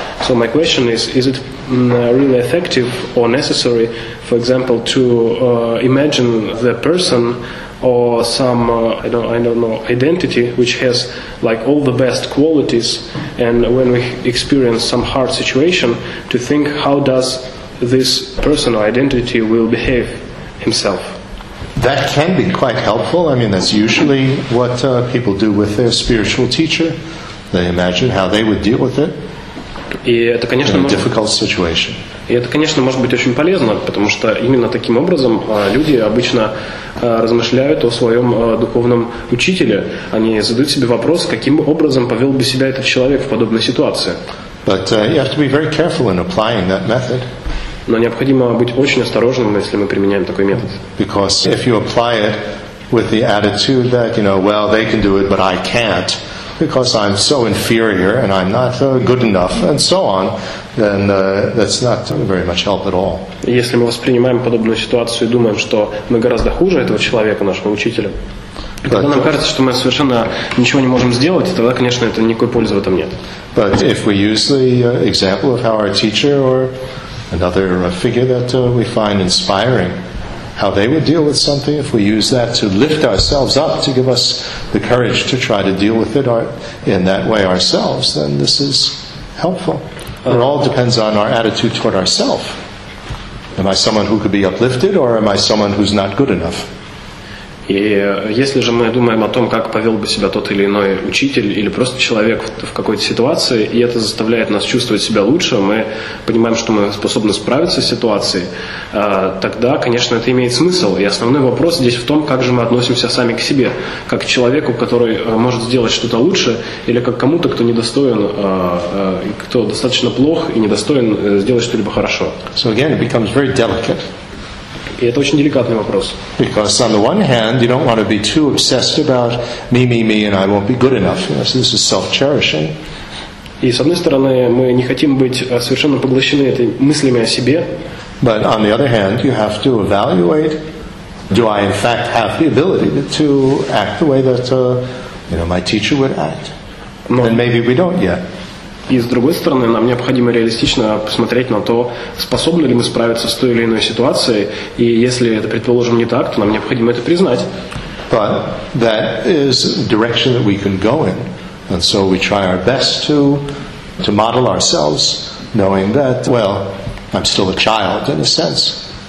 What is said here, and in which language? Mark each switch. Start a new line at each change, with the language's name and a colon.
English: So my question is it really effective or necessary, for example, to imagine the person or some I don't know identity which has like all the best qualities, and when we experience some hard situation, to think how does this person or identity will behave himself? That can be quite helpful. I mean, that's usually what people do with their spiritual teacher. They imagine how they would deal with it.
Russian: И это, конечно,
English: in a difficult situation.
Russian: И это, конечно, может быть очень полезно, потому что именно таким образом люди обычно размышляют о своем духовном учителе. Они задают себе вопрос, каким образом повел бы себя этот человек в подобной ситуации.
English: But you have to be very careful in applying that method.
Russian: Но необходимо быть очень осторожным, если мы применяем такой метод.
English: Because if you apply it with the attitude that, you know, well, they can do it, but I can't, because I'm so inferior and I'm not good enough, and so on, then that's not very much help at all.
Russian: Если мы воспринимаем подобную ситуацию и думаем, что мы гораздо хуже этого человека, нашего учителя, когда нам кажется, что мы совершенно ничего не можем сделать, тогда, конечно, это никакой пользы в этом нет.
English: But if we use the example of how our teacher or another figure that we find inspiring, how they would deal with something, if we use that to lift ourselves up, to give us the courage to try to deal with it in that way ourselves, then this is helpful. It all depends on our attitude toward ourselves. Am I someone who could be uplifted, or am I someone who's not good enough?
Russian: И если же мы думаем о том, как повел бы себя тот или иной учитель или просто человек в какой-то ситуации, и это заставляет нас чувствовать себя лучше, мы понимаем, что мы способны справиться с ситуацией, тогда, конечно, это имеет смысл. И основной вопрос здесь в том, как же мы относимся сами к себе, как к человеку, который может сделать что-то лучше, или как к кому-то, кто недостоин, кто достаточно плох и недостоин сделать что-либо хорошо.
English: So again, it becomes very delicate.
Russian: И это очень деликатный вопрос.
English: Because on the one hand, you don't want to be too obsessed about me, me, me, and I won't be good enough. You know, so this is self-cherishing.
Russian: И с одной стороны, мы не хотим быть совершенно поглощены этой мыслями о себе.
English: But on the other hand, you have to evaluate: do I in fact have the ability to act the way that you know my teacher would act? No. And maybe we don't yet.
Russian: И с другой стороны, нам необходимо реалистично посмотреть на то, способны ли мы справиться с той или иной ситуацией, и если это, предположим, не так, то нам необходимо это признать.
English: But that is the direction that we can go in, and so we try our best to model ourselves, knowing that, well, I'm still a child in a sense.